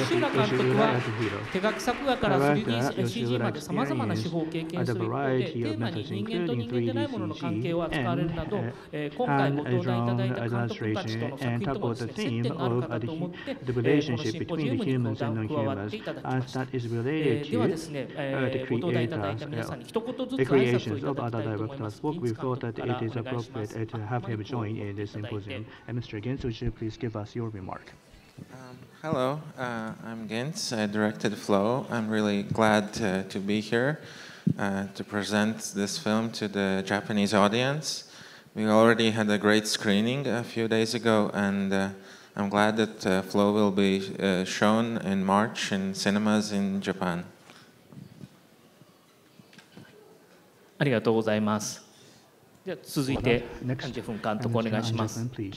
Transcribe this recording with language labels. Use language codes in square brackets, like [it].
[ja] 監督は、手書き作画から 3D、CG まで様々な手法を経験する一方で、テーマに人間と人間でないものの関係を扱われるなど、今回ご登壇いただいた監督たちとの作品ともですね、接点があるかと思って、このシンポジウムに登壇、加わっていただきました。ではですね、ご登壇いただきました。 [en] The creations of other directors. We thought that it is appropriate to have him join in this symposium. And Mr. Gints, would you please give us your remark? Hello, I'm Gints. I directed Flow. I'm really glad to be here to present this film to the Japanese audience. We already had a great screening a few days ago, and I'm glad that Flow will be shown in March in cinemas in Japan. [ja] ありがとうございます。じゃあ続いてアンジェフン監督お願いします。